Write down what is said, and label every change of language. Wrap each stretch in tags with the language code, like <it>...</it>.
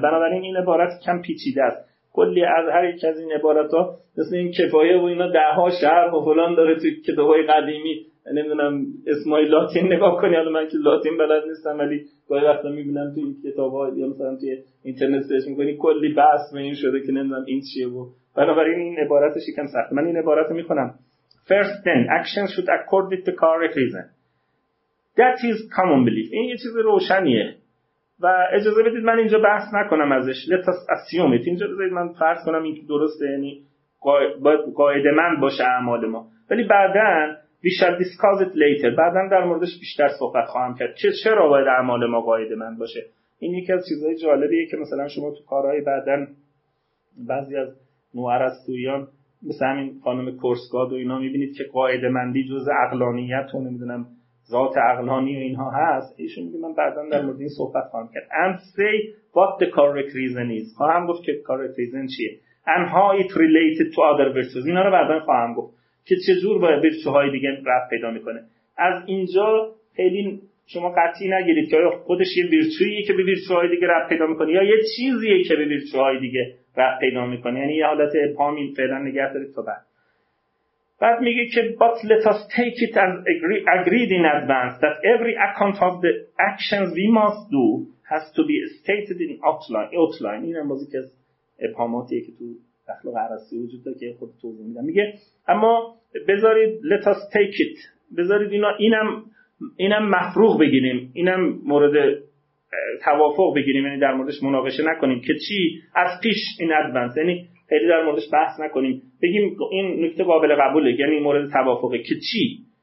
<fa>بنابراین این عبارت کم پیچیده است، کلی از هر یک از این عبارات ها مثل این کفایه و اینا ده ها شرح و فلان داره توی کتابای قدیمی، نمیدونم اسمای لاتین نگاه کنی، حالا من که لاتین بلد نیستم ولی گاهی وقتا میبینم توی کتاب ها یا مثلا توی اینترنت سرچ میکنی کلی بحث به این شده که نمیدونم این چیه. و بنابراین این عبارتش یکم سخته، من این عبارت رو میخونم.</fa> <en>First then, action should accord with the correct reason. That is common belief.</en> <fa>این یه چیز روشنیه و اجازه بدید من اینجا بحث نکنم ازش.</fa> <en>Let us assume it.</en> <fa>اینجا بذارید من فرض کنم این درسته، یعنی قاعده من باشه اعمال ما. ولی بعداً</fa> <en>we shall discuss it later.</en> <fa>بعداً در موردش بیشتر صحبت خواهم کرد. چرا باید اعمال ما قاعده من باشه؟ این یکی از چیزهای جالبیه که مثلا شما تو کارهای بعداً بعضی از نوارستویان مثل همین خانم کورسگاد و اینا میبینید که قاعده مندی جزء عقلانیت و نمیدونم ذات عقلانی و اینها هست. ایشون میگه من بعداً در مورد این صحبت خواهم کرد.</fa> <en>And say what the correct reason is.</en> <fa>خواهم گفت که</fa> <en>correct reason</en> <fa>چیه.</fa> <en>And how it related to other virtues.</en> <fa>اینا رو بعداً خواهم گفت که چجور باید virtues‌های دیگه رفت پیدا میکنه. از اینجا خیلی شما قطعی نگیرید که آیا خودش یه virtue‌ایه که به virtues‌های دیگه رفت پیدا میکنه یا یه چیزیه که به virtues‌های دیگه رفت پیدا میکنه. یعنی یه حالت پامین فعلا نگه دارید تا بعد. بعد میگه که</fa> <en>but let us take it as agreed in advance that every account of the actions we must do has to be stated in outline.</en> <fa>این هم بازی که از ابهاماتیه که تو اخلاق ارسطو وجود داره که خود توضیح میدم. میگه اما بذارید</fa> <en>let us take it،</en> <fa>بذارید اینم مفروغ بگیریم، اینم مورد توافق بگیریم، یعنی در موردش مناقشه نکنیم که چی از پیش این ادوانس، یعنی خیلی در موردش بحث نکنیم، بگیم این نکته قابل قبوله، یعنی مورد توافقه که چی</fa>